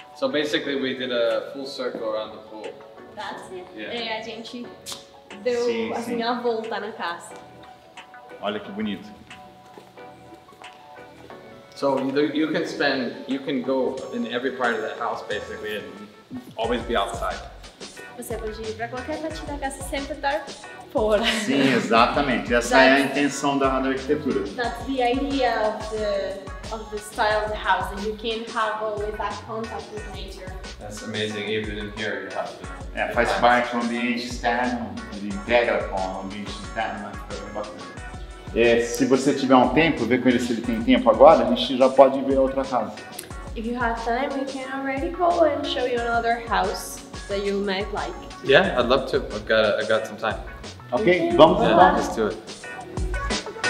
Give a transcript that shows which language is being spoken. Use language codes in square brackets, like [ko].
[en] So basically we did a full circle around the pool. That's it. Yeah. [pt] E a gente deu assim a volta na casa. Olha que bonito. [en] So you can go in every part of the house basically and always be outside. [pt] Você pode ir para qualquer parte da casa sempre estar fora. Sim, exatamente. Essa é a intenção da arquitetura. [en] That's the idea of the style of the house, and you can have always that contact with nature. That's amazing. Even in here, you have the. [pt] É, faz parte do ambiente externo, ele integra com o ambiente externo, né? Foi bem bacana. É, se você tiver um tempo, ver com ele se ele tem tempo agora, a gente já pode ver outra casa. [en] If you have time, we can already call and show you another house that you might like. Yeah, I'd love to. I've got some time. [pt] Okay, vamos lá. [en] Yeah, let's do it.